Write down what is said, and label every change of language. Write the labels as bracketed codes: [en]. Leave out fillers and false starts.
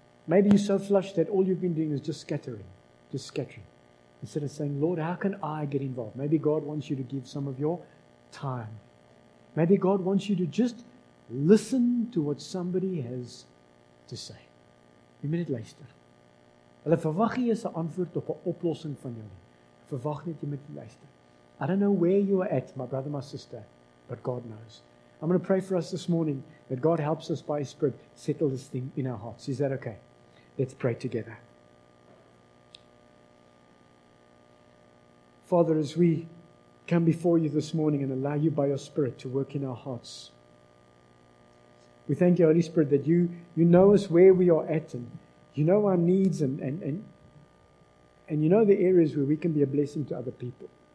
[en] Maybe you're so flushed that all you've been doing is just scattering. Instead of saying, Lord, how can I get involved? Maybe God wants you to give some of your time. Maybe God wants you to just listen to what somebody has to say. [af] Jy moet net luister. Hulle verwag jy is 'n antwoord op 'n oplossing van jou nie. Verwag net jy moet luister. [en] I don't know where you are at, my brother, my sister, but God knows. I'm going to pray for us this morning that God helps us by His Spirit settle this thing in our hearts. Is that okay? Let's pray together. Father, as we come before you this morning and allow you by your Spirit to work in our hearts, we thank you, Holy Spirit, that you know us where we are at, and you know our needs, and you know the areas where we can be a blessing to other people.